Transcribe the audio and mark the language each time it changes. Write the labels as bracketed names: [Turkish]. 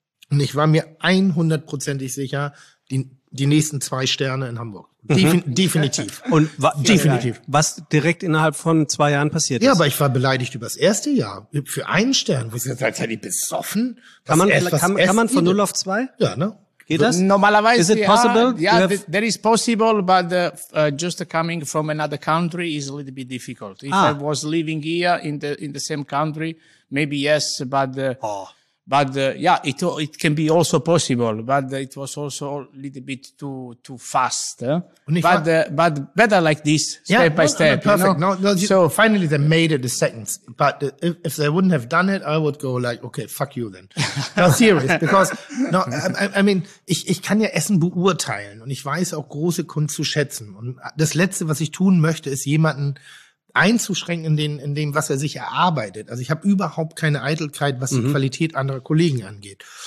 [German] Und ich war mir 100%ig sicher, die nächsten 2 Sterne in Hamburg. Definitiv. Und definitiv. Was direkt innerhalb von 2 Jahren passiert ist. Ja, aber ich war beleidigt über das erste Jahr. Für einen Stern. Wo ist jetzt halt die besoffen? Kann man von 0 auf 2? Ja, ne? Geht das? Normalerweise. [English] Is it possible? That is possible, but just coming from another country is a little bit difficult. If I was living here in the same country, maybe yes, but it can be also possible, but it was also a little bit too fast. But better like this, step by step. Perfect. You know? So finally they made it the second. But if they wouldn't have done it, I would go like, okay, fuck you then. No, serious. [German] Because ich kann ja Essen beurteilen und ich weiß auch große Kunst zu schätzen. Und das Letzte, was ich tun möchte, ist jemanden einzuschränken in dem, was er sich erarbeitet. Also ich habe überhaupt keine Eitelkeit, was die Qualität anderer Kollegen angeht.